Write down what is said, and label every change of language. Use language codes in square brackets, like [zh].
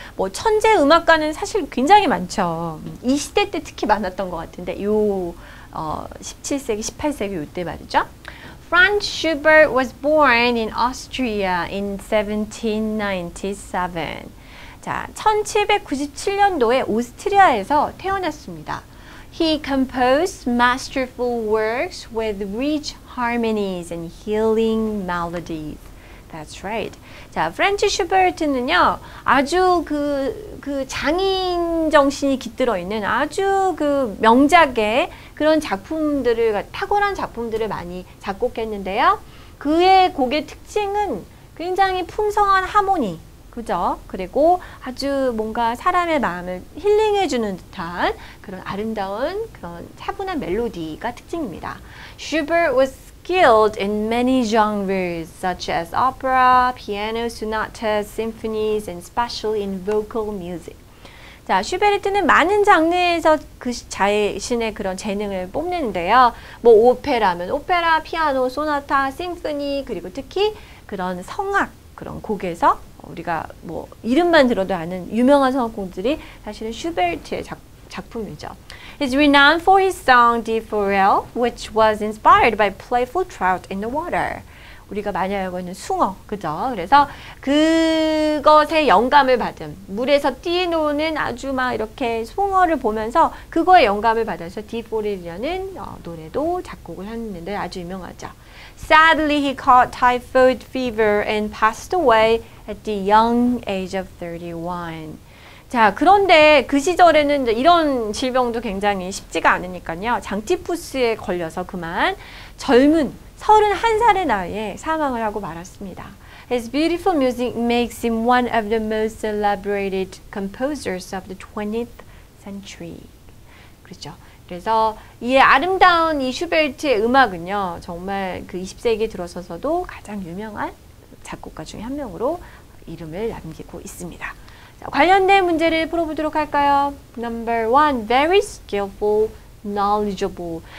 [ko] 뭐, 천재 음악가는 사실 굉장히 많죠. 이 시대 때 특히 많았던 것 같은데, 17세기, 18세기 이때 말이죠. [en] Franz Schubert was born in Austria in 1797. [ko] 자, 1797년도에 오스트리아에서 태어났습니다. [en] He composed masterful works with rich harmonies and healing melodies. That's right. [ko] 자, 프란츠 슈베르트는요, 아주 그 장인 정신이 깃들어 있는 아주 그 명작의 그런 작품들을, 탁월한 작품들을 많이 작곡했는데요. 그의 곡의 특징은 굉장히 풍성한 하모니, 그죠? 그리고 아주 뭔가 사람의 마음을 힐링해 주는 듯한 그런 아름다운 그런 차분한 멜로디가 특징입니다. [en] Schubert was skilled in many genres such as opera, piano, sonatas, symphonies, and especially in vocal music. [ko] 자, 슈베르트는 많은 장르에서 그 자신의 그런 재능을 뽐내는데요. 뭐 오페라면 오페라, 피아노, 소나타, 심포니, 그리고 특히 그런 성악 그런 곡에서 우리가 뭐 이름만 들어도 아는 유명한 성악곡들이 사실은 슈베르트의 작품이죠. [en] He's renowned for his song Die Forelle, which was inspired by playful trout in the water. [ko] 우리가 많이 알고 있는 숭어, 그죠? 그래서 그것의 영감을 받은, 물에서 뛰어노는 아주 막 이렇게 숭어를 보면서 그거의 영감을 받아서 Die Forelle이라는 노래도 작곡을 했는데 아주 유명하죠. [en] Sadly, he caught typhoid fever and passed away at the young age of 31. [ko] 자, 그런데 그 시절에는 이런 질병도 굉장히 쉽지가 않으니까요. 장티푸스에 걸려서 그만 젊은 31살의 나이에 사망을 하고 말았습니다. [en] His beautiful music makes him one of the most celebrated composers of the 20th century. [ko] 그렇죠. 그래서 이 아름다운 이 슈베르트의 음악은요, 정말 그 20세기 들어서서도 가장 유명한 작곡가 중에 한 명으로 이름을 남기고 있습니다. 자, 관련된 문제를 풀어보도록 할까요? [en] Number one, very skillful, knowledgeable.